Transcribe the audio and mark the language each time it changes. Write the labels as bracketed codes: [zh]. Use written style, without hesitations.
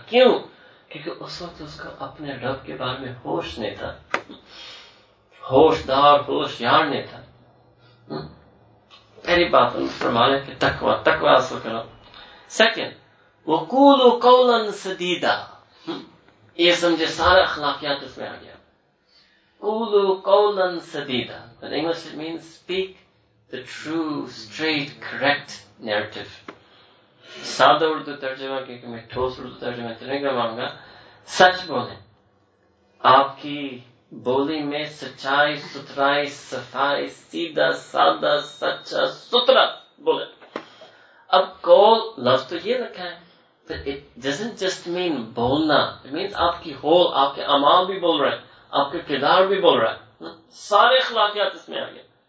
[ur] کیوں؟ کیونکہ اس وقت اس کا اپنے رب کے بارے میں ہوش نہیں تھا, ہوشدار ہوشیار نہیں تھا. پہلی بات فرمانے کی تقوی, تقوی حاصل کرو. سیکنڈ, [ar] وَقُولُوا قَوْلًا سَدِيدًا, [ur] یہ سمجھے سارے اخلاقیات اس میں آ گیا. [ar] قُولُوا قَوْلًا سَدِيدًا, [en] in English it means speak the true, straight, correct narrative. [ur] سادہ اردو ترجمہ, کیونکہ میں ٹھوس اردو ترجمہ نہیں کرواؤں گا, سچ بولیں, آپ کی بولی میں سچائی, ستھرائی, صفائی, سیدھا سادہ سچا ستھرا بولیں. اب قول لفظ تو یہ رکھا ہے, تو [en] it doesn't just mean [ur] بولنا, [en] it means [ur] آپ کی ہول, آپ کے اعمال بھی بول رہے ہیں, آپ کے کردار بھی بول رہا ہے, سارے اخلاقیات اس میں آ گئے.